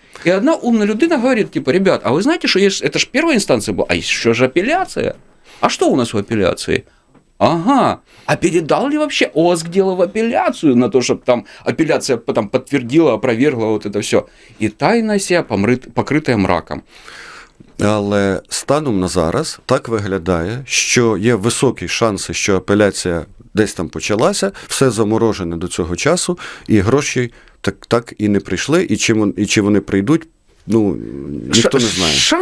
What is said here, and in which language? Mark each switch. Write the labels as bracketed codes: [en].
[uk] І одна умна людина говорить, типу, ребят, а ви знаєте, що є, це ж перша інстанція була, а що ж апеляція? А що у нас в апеляції? [ru] Ага, а передал ли вообще ОСК дело в апелляцию на то, чтобы там апелляция потом подтвердила, опровергла вот это все? И тайна сия, покрытая мраком. [uk] Але станом на зараз так виглядає, що є високі шанси, що апеляція десь там почалася, все заморожене до цього часу, і гроші так і не прийшли, і чи вони прийдуть, ну, ніхто не знає.